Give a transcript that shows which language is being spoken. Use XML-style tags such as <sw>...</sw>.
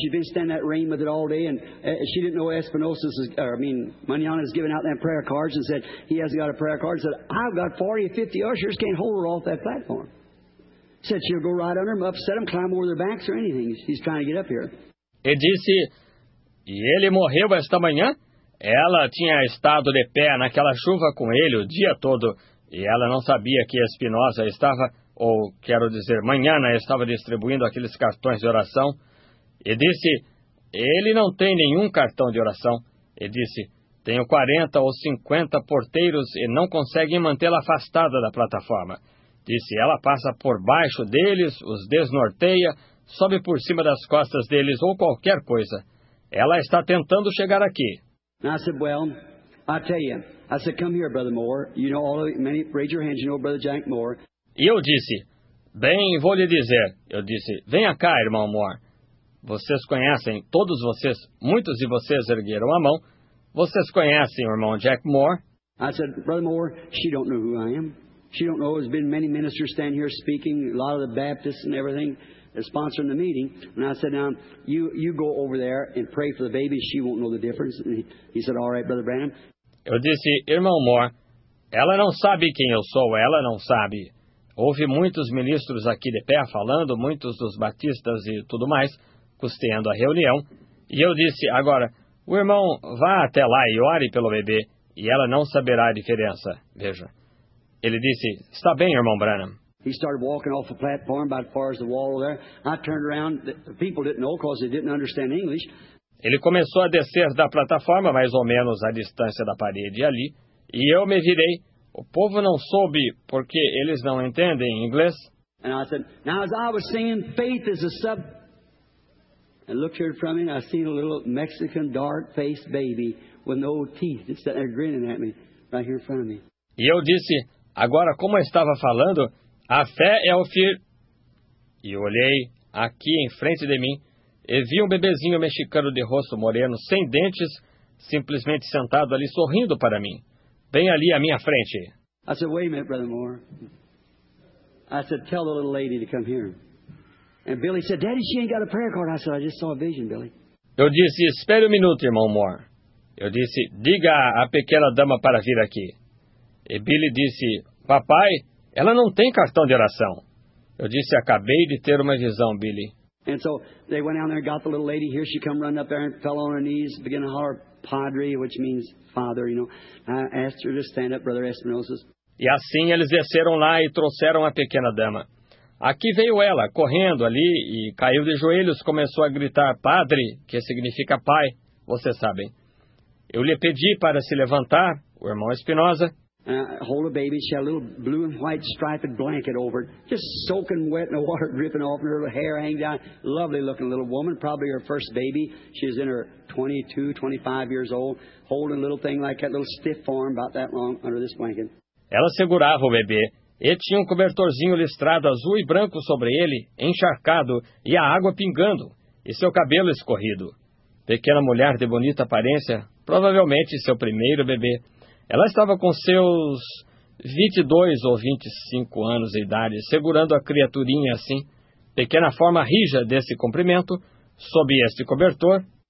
<en>She'd been standing in that rain with it all day, and she didn't know Espinosa's, Manana's giving out that prayer cards and said, he hasn't got a prayer card. Said, I've got 40 or 50 ushers, can't hold her off that platform. Said, she'll go right under them, upset them, climb over their backs or anything. She's trying to get up here.</en> <pt>E disse, e ele morreu esta manhã? Ela tinha estado de pé naquela chuva com ele o dia todo, e ela não sabia que Espinosa estava, ou quero dizer, Manana estava distribuindo aqueles cartões de oração. E disse, ele não tem nenhum cartão de oração. E disse, tenho 40 ou 50 porteiros e não conseguem mantê-la afastada da plataforma. Disse, ela passa por baixo deles, os desnorteia, sobe por cima das costas deles ou qualquer coisa. Ela está tentando chegar aqui. Eu disse,</pt> <en>well, I tell you, I said, come here, Brother Moore. You know all of it. Many, raise your hands, you know, Brother Jack Moore.</en> <pt>E eu disse, bem, vou lhe dizer. Eu disse, venha cá, irmão Moore. Vocês conhecem, todos vocês, muitos de vocês ergueram a mão. Vocês conhecem o irmão Jack Moore?</pt> <en>I said, Brother Moore, she don't know who I am. She don't know, there's been many ministers stand here speaking, a lot of the Baptists and everything, sponsoring the meeting. And I said, now, you go over there and pray for the baby, she won't know the difference. And he said, all right, Brother Branham.</en> <pt>Eu disse, irmão Moore, ela não sabe quem eu sou, ela não sabe. Houve muitos ministros aqui de pé falando, muitos dos batistas e tudo mais, custeando a reunião, e eu disse, agora, o irmão, vá até lá e ore pelo bebê, e ela não saberá a diferença, veja. Ele disse, está bem, irmão Branham.</pt> <en>He started walking off the platform, about as far as the wall there. I turned around, the people didn't know, because they didn't understand English.</en> <pt>Ele começou a descer da plataforma, mais ou menos à distância da parede ali, e eu me virei, o povo não soube, porque eles não entendem inglês.</pt> <en>And I said, now as I was saying, faith is a sub... I looked here from him, I seen a little Mexican dark-faced baby with no teeth that's sitting there grinning at me, right here in front of me.</en> <pt>E eu disse, agora como eu estava falando, a fé é o fir... E eu olhei aqui em frente de mim e vi um bebezinho mexicano de rosto moreno, sem dentes, simplesmente sentado ali sorrindo para mim, bem ali à minha frente.</pt> <en>I said, wait a minute, Brother Moore. I said, tell the little lady to come here. And Billy said, Daddy, she ain't got a prayer card. I said, I just saw a vision, Billy.</en> <pt>Eu disse, espere um minuto, irmão Moore. Eu disse, diga à pequena dama para vir aqui. E Billy disse, papai, ela não tem cartão de oração. Eu disse, acabei de ter uma visão, Billy.</pt> <en>And so they went down there and got the little lady. Here she come running up there and fell on her knees, began to holler, Padre, which means father, you know. I asked her to stand up, Brother Espinosa.</en> <pt>E assim eles desceram lá e trouxeram a pequena dama. Aqui veio ela, correndo ali, e caiu de joelhos, começou a gritar, Padre, que significa pai, vocês sabem. Eu lhe pedi para se levantar, o irmão Espinosa.</pt> <en>Hold a baby, she had a little blue and white striped blanket over it, just soaking wet in the water, dripping off, and her hair hanging down. Lovely looking little woman, probably her first baby. She was in her 22, 25 years old, holding a little thing like that, little stiff form, about that long, under this blanket.</en> <pt>Ela segurava o bebê. E tinha um cobertorzinho listrado azul e branco sobre ele, encharcado, e a água pingando, e seu cabelo escorrido. Pequena mulher de bonita aparência, provavelmente seu primeiro bebê. Ela estava com seus 22 ou 25 anos de idade, segurando a criaturinha assim, pequena forma rija desse comprimento, sob este cobertor.</pt>